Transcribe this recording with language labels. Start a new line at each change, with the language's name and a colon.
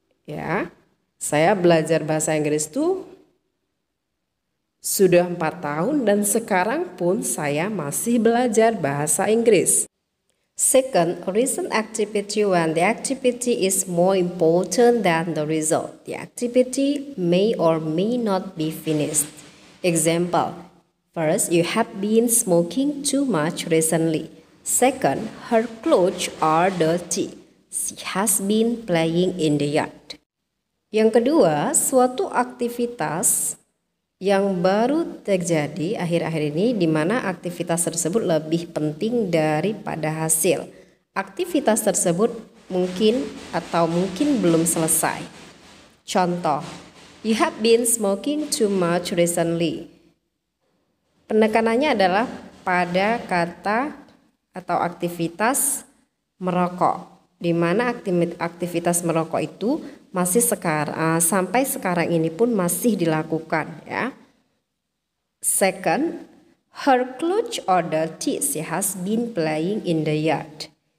Indonesian: Ya, saya belajar bahasa Inggris itu sudah 4 tahun dan sekarang pun saya masih belajar bahasa Inggris.
English: Second, a recent activity when the activity is more important than the result. The activity may or may not be finished. Example, first, you have been smoking too much recently. Second, her clothes are dirty. She has been playing in the yard.
Indonesian: Yang kedua, suatu aktivitas yang baru terjadi akhir-akhir ini di mana aktivitas tersebut lebih penting daripada hasil. Aktivitas tersebut mungkin atau mungkin belum selesai. Contoh,
English: you have been smoking too much recently.
Indonesian: Penekanannya adalah pada kata atau aktivitas merokok, di mana aktivitas merokok itu masih sampai sekarang ini pun masih dilakukan, ya.
English: Second, her clothes are dirty. She has been playing in the yard.